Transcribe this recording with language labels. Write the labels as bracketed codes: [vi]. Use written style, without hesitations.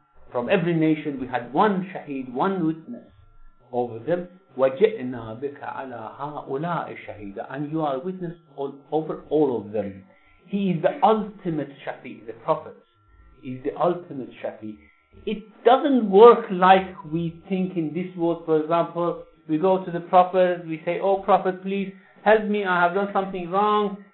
[en] From every nation we had one shaheed, one witness over them. [ar] وجئنا بك على هؤلاء الشهيدة. [en] And you are a witness over all of them. He is the ultimate Shafi, the Prophet. He is the ultimate Shafi. It doesn't work like we think in this world. For example, we go to the Prophet, we say, oh Prophet, please help me, I have done something wrong.